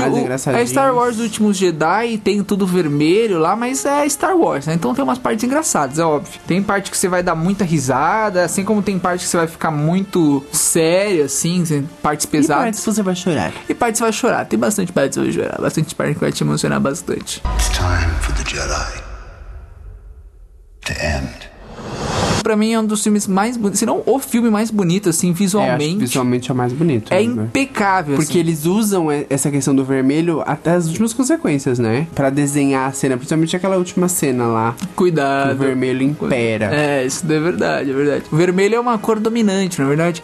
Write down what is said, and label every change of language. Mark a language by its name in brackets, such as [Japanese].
[Portuguese] Mais engraçadinhos. É Star Wars Últimos Jedi, tem tudo vermelho lá, mas é Star Wars, né? Então tem umas partes engraçadas, é óbvio. Tem parte que você vai dar muita risada, assim como tem parte que você vai ficar muito sério, assim, partes pesadas. E partes que você vai chorar. E partes que você vai chorar. Tem bastante partes que você vai chorar, bastante parte que vai te emocionar bastante. [English] It's time for the Jedi to end. [Portuguese] Pra mim é um dos filmes mais bonitos, se não o filme mais bonito, assim, visualmente. É, visualmente é o mais bonito. É impecável, porque assim. Eles usam essa questão do vermelho até as últimas consequências, né? Pra desenhar a cena, principalmente aquela última cena lá. Cuidado. O vermelho impera. É, isso é verdade, é verdade. O vermelho é uma cor dominante, não é verdade?